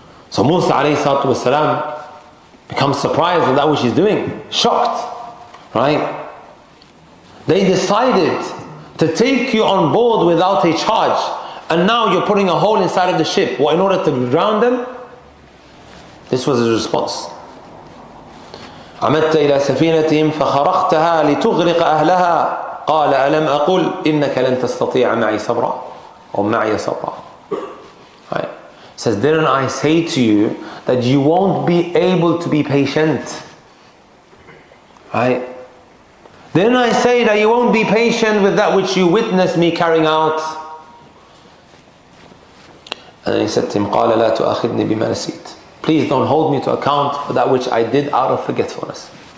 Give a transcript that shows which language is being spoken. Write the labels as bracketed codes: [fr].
[en] So Musa alayhi salatu wasalam becomes surprised at that which he's doing, shocked, right? They decided to take you on board without a charge, and now you're putting a hole inside of the ship. What, in order to drown them? This was his response. [ar] عمدت إلى سفينتهم فخرقتها لتغرق أهلها قال ألم أقول إنك لن تستطيع معي صبرا أو معي صبرا. [en] Says, didn't I say to you that you won't be able to be patient? Right? Didn't I say that you won't be patient with that which you witnessed me carrying out? And then he said to him, [ar] قَالَ لَا تُؤَخِذْنِي بِمَا نَسِيتْ. [en] Please don't hold me to account for that which I did out of forgetfulness.